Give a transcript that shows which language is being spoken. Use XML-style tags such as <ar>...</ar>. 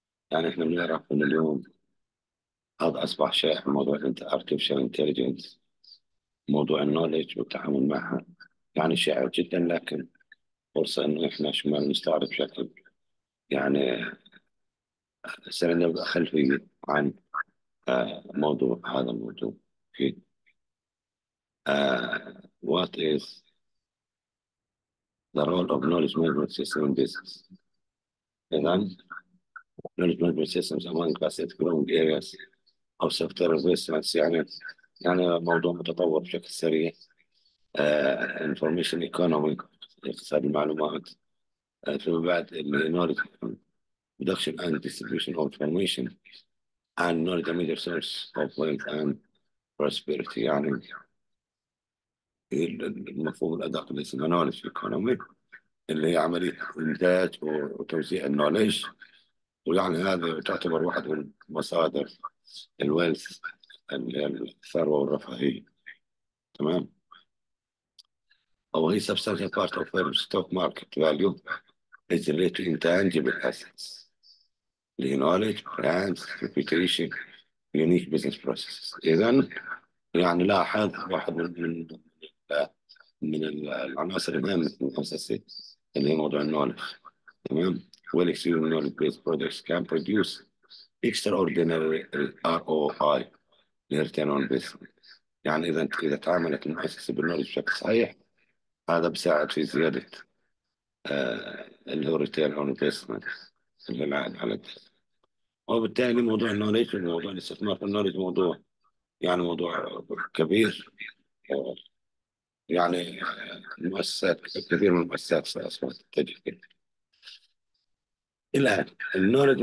<ar>يعني احنا بنعرف من اليوم هذا اصبح شائع، موضوع انت ارتفيشال انتليجنس، موضوع النولج والتعامل معها يعني شائع جدا، لكن فرصة انه احنا شو ما نستعرض بشكل يعني سنة خلفية عن موضوع هذا الموضوع. أوكي.</ar> <en>What is the role of knowledge management system in business?</en> <ar>إذن</ar> <en>knowledge management systems among fast growing areas of software investments،</en> <ar>يعني موضوع متطور بشكل سريع.</ar> <en>Information economy،</en> <ar>اقتصاد المعلومات. ثم بعد</ar> <en>knowledge production and distribution of information and not the major source of wealth and prosperity.</en> <ar>يعني المفهوم الأدق اللي اسمه knowledge economy، اللي هي عملية إنتاج وتوزيع النولج، ويعني هذا تعتبر واحد من مصادر الويلث، الثروة والرفاهية. تمام. أو هي</ar> <en>substantial part of the stock market value is related to intangible assets. The knowledge, brands, reputation, unique business processes.</en> <ar>إذا يعني لاحظ واحد من العناصر المهمة المؤسسية اللي هي موضوع النولج. تمام؟</ar> <en>Well executed knowledge based products can produce extraordinary ROI return on business.</en> <ar>يعني إذا تعاملت المؤسسة بالنولج بشكل صحيح، هذا بساعد في زيادة اللي هو</ar> <en>return on investment،</en> <ar>اللي هو العائد على الدخل. وبالتالي موضوع النوليدج وموضوع الاستثمار في النوليدج موضوع يعني موضوع كبير، يعني المؤسسات كثير من المؤسسات اصلا تتجه الى النوليدج.</ar>